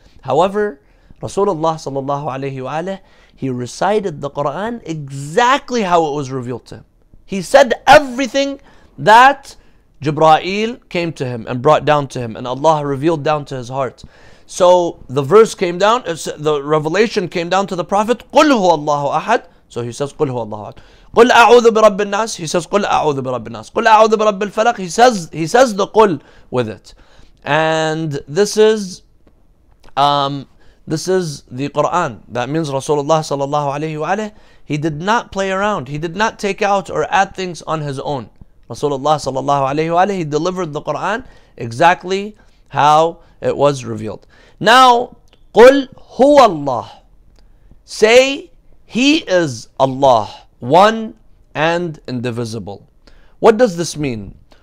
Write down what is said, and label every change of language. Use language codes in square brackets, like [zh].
[en] However, Rasulullah صلى الله عليه وآله, he recited the Quran exactly how it was revealed to him. He said everything that Jibreel came to him and brought down to him and Allah revealed down to his heart. So the verse came down, the revelation came down to the Prophet, [ar] قُلْ هُوَ اللَّهُ أَحَدْ. [en] So he says, [ar] قُلْ هُوَ اللَّهُ أَحَدْ. قُلْ أَعُوذُ بِرَبِّ النَّاسِ. [en] He says, [ar] قُلْ أَعُوذُ بِرَبِّ النَّاسِ. قُلْ أَعُوذُ بِرَبِّ الْفَلَقِ. [en] He says the قُلْ with it. And this is the Quran. That means Rasulullah sallallahu alayhi wa alayhi, he did not play around. He did not take out or add things on his own. Rasulullah sallallahu alayhi wa alayhi, he delivered the Quran exactly how it was revealed. Now, [ar] قُلْ هُوَ اللَّهِ. [en] Say, He is Allah, one and indivisible. What does this mean?